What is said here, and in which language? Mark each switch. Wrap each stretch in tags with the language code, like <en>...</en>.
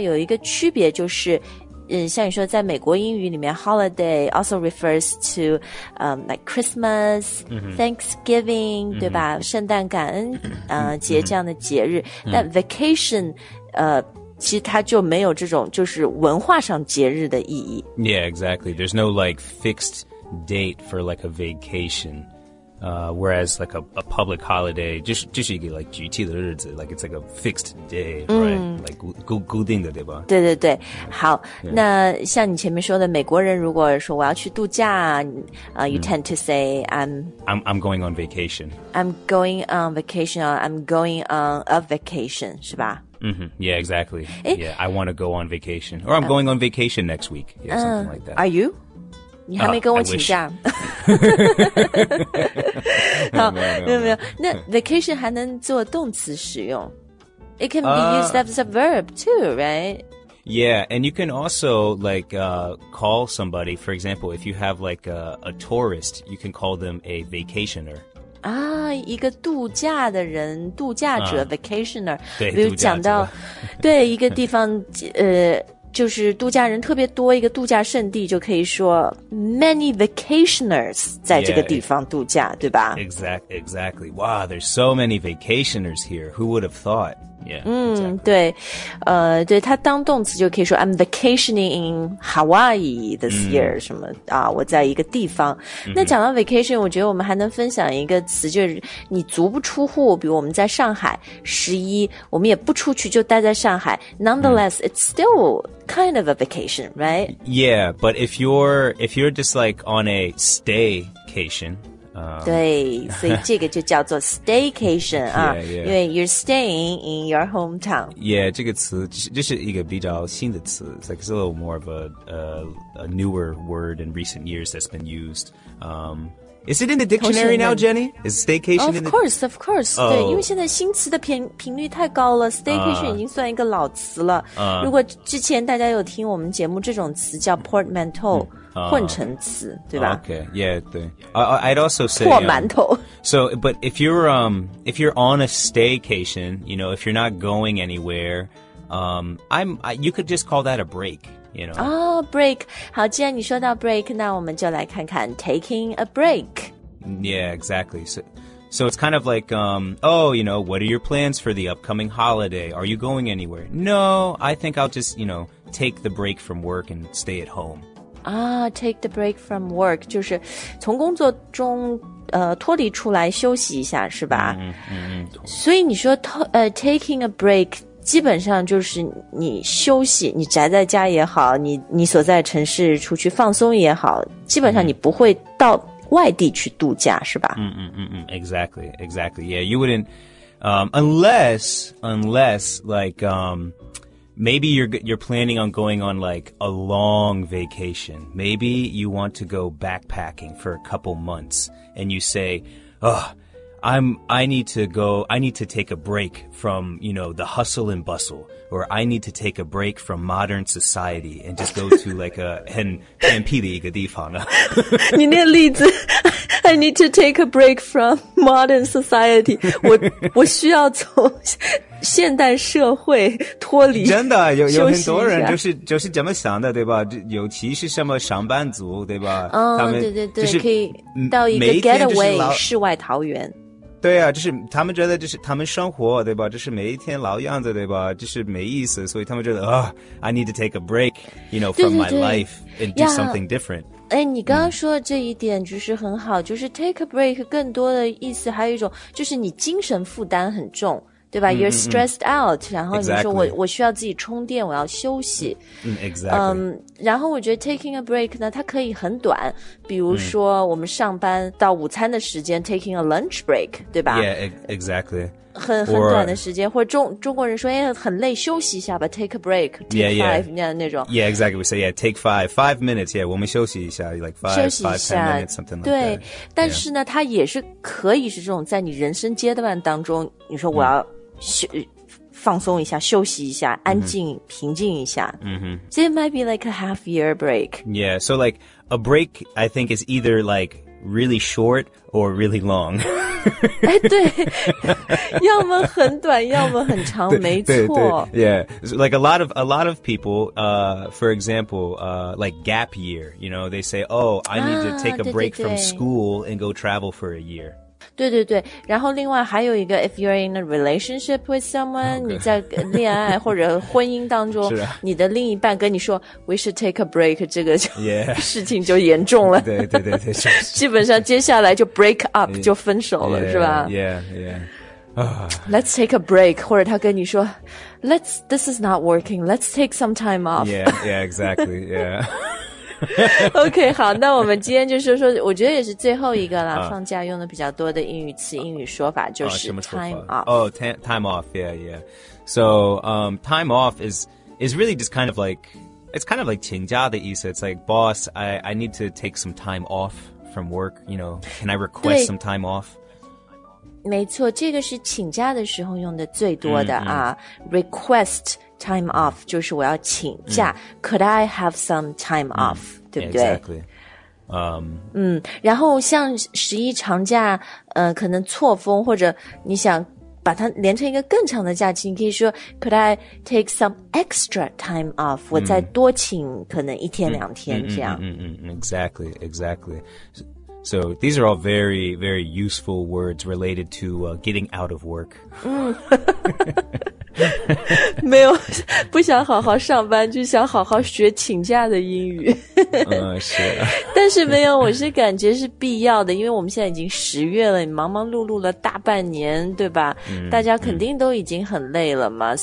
<zh>有一个区别就是像你说在美国英语里面</zh> <en>holiday also refers to、like Christmas、</en> <zh>mm-hmm. Thanksgiving、mm-hmm. 对吧圣诞感恩、节这样的节日、mm-hmm. 但 vacation 其实它就没有这种就是文化上节日的意义</zh> <en>Yeah exactly there's no like fixeddate for like a vacation whereas like a public holiday just you get like GT the words like it's like a fixed day、right?</en> <zh>like 固定的对吧对对对好、yeah. 那像你前面说的美国人如果说我要去度假、</zh> <en>you tend to say I'm going on vacation I'm going on vacation or I'm going on a vacation</en> <zh>是吧</zh> <en>Mm-hmm. Yeah, exactly. Yeah, I want to go on vacation. Or I'm going on vacation next week. Yeah, something like that. Are you?</en> <zh>你还没跟我请假。没有。那 vacation 还能做动词使用。</zh> <en>It can be used as a verb too, right? Yeah, and you can also like, call somebody. For example, if you have like a tourist, you can call them a vacationer.</en> <zh>啊，一个度假的人，度假者、vacationer，对比如讲到，对一个地方，就是度假人特别多，一个度假胜地，就可以说</zh> <en>many vacationers</en> <zh>在这个地方度假，</zh> <en>yeah,</en> <zh>对吧</zh> <en>？Exactly. Wow, there's so many vacationers here. Who would have thought? Yeah.</en> <zh>对，对他当动词就可以说</zh> <en>I'm vacationing in Hawaii this year</en> <zh>什么啊，我在一个地方。 Mm-hmm. 那讲到 vacation， 我觉得我们还能分享一个词，就是你足不出户，比如我们在上海十一，我们也不出去，就待在上海。</zh> <en>Nonetheless,、mm-hmm. it's still kind of a vacation, right? Yeah, but if you're just like on a staycation.</en> <zh>对所以这个就叫做 staycation 啊</zh> <en>yeah, yeah.</en> <zh>因为</zh> <en>you're staying in your hometown Yeah</en> <zh>这个词这是一个比较新的词</zh> <en>It's like it's a little more of a newer word in recent years that's been used Is it in the dictionary now, Jenny? Is staycation in the... Of course.、Oh.</en> <zh>对因为现在新词的频率太高了 staycation 已经算一个老词了、如果之前大家有听我们节目这种词叫 portmanteau、混成词对吧</zh> <en>Okay, yeah, 对 I'd also say</en> <zh>破馒头</zh> <en>So, but if you're on a staycation, you know, if you're not going anywhere, you could just call that a break. You know. Oh, break. 好，既然你说到 break, 那我们就来看看 taking a break. Yeah, exactly. So it's kind of like, oh, you know, what are your plans for the upcoming holiday? Are you going anywhere? No, I think I'll just, you know, take the break from work and stay at home. Ah, take the break from work.</en> <zh>就是从工作中脱离出来休息一下是吧、所以你说taking a break,基本上就是你休息你宅在家也好你所在城市出去放松也好基本上你不会到外地去度假是吧</zh> <en>Exactly. Yeah, you wouldn't, unless, like, maybe you're planning on going on like a long vacation. Maybe you want to go backpacking for a couple months and you say, ugh,I need to take a break from, you know, the hustle and bustle, or I need to take a break from modern society and just go to like a</en> <zh>很偏僻的一个地方啊。你那例子</zh> <en>，I need to take a break from modern society.</en> <zh>我需要从现代社会脱离。真的有很多人就是这么想的，对吧？尤其是什么上班族，对吧？对对对，可以到一个 getaway 世外桃源。对啊，就是他们觉得就是他们生活，对吧？就是每一天老样子，对吧？就是没意思，所以他们觉得啊</zh> <en>，I need to take a break, you know, from my life and do something different.</en> <zh>哎，你刚刚说的这一点就是很好，就是 take a break 更多的意思还有一种就是你精神负担很重。对吧 ？</zh> <en>You're stressed out，</en> <zh>然后你说我需要自己充电，我要休息。然后我觉得 taking a break 呢，它可以很短，比如说我们上班到午餐的时间</zh> <en>taking a lunch break，</en> <zh>对吧</zh> <en>？Yeah, exactly.</en> <zh>很短的时间，或者中国人说哎很累，休息一下吧 ，take a break，</zh> <en>take five</en> <zh>那种。</zh> <en>Yeah, exactly. We say yeah, take five minutes. Yeah,</en> <zh>我们休息一下</zh> <en>，like five ten minutes something like that.</en> <zh>对，但是呢，它也是可以是这种在你人生阶段当中，你说我要。放松一下休息一下安静、mm-hmm. 平静一下、 mm-hmm.</zh> <en>So it might be like a half year break. Yeah, so like a break I think is either like really short or really long.</en> <zh>哎，对，要么很短要么很长没错。</zh> <en>对对 Yeah, so, like a lot of people, for example, like gap year, you know, they say, oh, I need to take a break from school and go travel for a year.</en> <zh>对对对，然后另外还有一个</zh> <en>if you're in a relationship with someone、 okay.</en> <zh>你在恋爱或者婚姻当中、啊、你的另一半跟你说</zh> <en>we should take a break</en> <zh>这个就、</zh> <en>yeah.</en> <zh>事情就严重了对对对对，是基本上接下来就 break up 就分手了</zh> <en>yeah,</en> <zh>是吧</zh> <en>yeah yeah、 let's take a break</en> <zh>或者他跟你说</zh> <en>this is not working let's take some time off yeah yeah exactly yeah</en> <zh>OK, 好，那我们今天就是说，我觉得也是最后一个了。放假用的比较多的英语词、英语说法就是 time off.</zh> <en>Oh, time off, yeah, yeah. So, time off is really just kind of like, it's kind of like</en> <zh>请假的意思.</zh> <en>It's like, boss, I need to take some time off from work, you know, can I request some time off?</en> <zh>没错，这个是请假的时候用的最多的啊、request time off 就是我要请假、</zh> <en>could I have some time off、</en> <zh>对不对</zh> <en>exactly、</en> <zh>然后像十一长假可能错峰或者你想把它连成一个更长的假期你可以说</zh> <en>could I take some extra time off</en> <zh>我再多请可能一天两天这样</zh> <en>exactly So these are all very, very useful words related to、getting out of work.</en> <zh>没有，不想好好上班，就想好好学请假的英语。是。但是没有，我是感觉是必要的，因为我们现在已经十月了，忙忙碌碌了大半年，对吧？大家肯定都已经很累了嘛。</zh>